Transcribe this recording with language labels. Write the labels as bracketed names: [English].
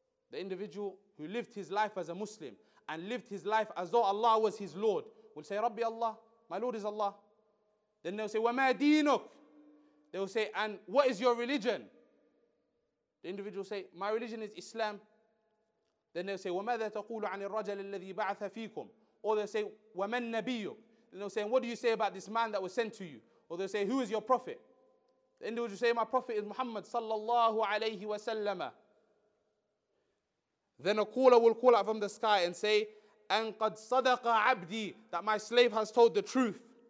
[English] The individual who lived his life as a Muslim and lived his life as though Allah was his Lord will say, Rabbi Allah, my Lord is Allah. Then they'll say, [Arabic] وَمَا دِينُكَ? [English] They'll say, and what is your religion? The individual will say, my religion is Islam. Then they'll say, [Arabic] وَمَاذَا تَقُولُ عَنِ الرَّجَلِ الَّذِي بَعَثَ فِيكُمْ? [English] Or they'll say, [Arabic] وَمَنْ نَبِيُّكَ? [English] Then they'll say, what do you say about this man that was sent to you? Or they'll say, who is your prophet? The individual say, my prophet is Muhammad sallallahu alayhi wa sallam. Then a caller will call out from the sky and say, and [Arabic] qad sadaqa abdi, [English] that my slave has told the truth.